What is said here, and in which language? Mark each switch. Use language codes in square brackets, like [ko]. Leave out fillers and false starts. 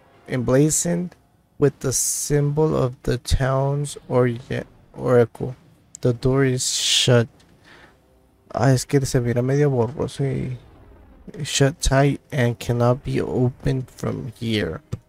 [en] Emblazoned with the symbol of the town's oracle. The door is shut. [es] Ah, es que se mira medio borroso y. [en] Shut tight and cannot be opened from here.